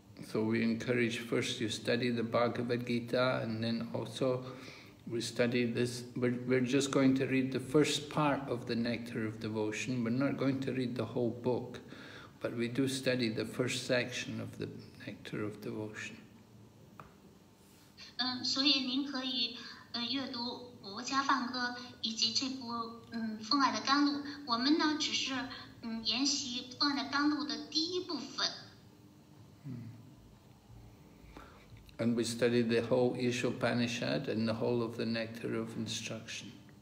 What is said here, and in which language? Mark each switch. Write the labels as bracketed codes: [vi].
[en] So we encourage first you study the Bhagavad Gita, and then also we study this. We're just going to read the first part of the Nectar of Devotion. We're not going to read the whole book, but we do study the first section of the Nectar of Devotion. [zh] 所以您可以阅读《佛家梵歌》以及这部《奉爱的甘露》，我们呢只是研习《奉爱的甘露》的第一部分。 [en] And we study the whole Ishopanishad and the whole of the Nectar of Instruction.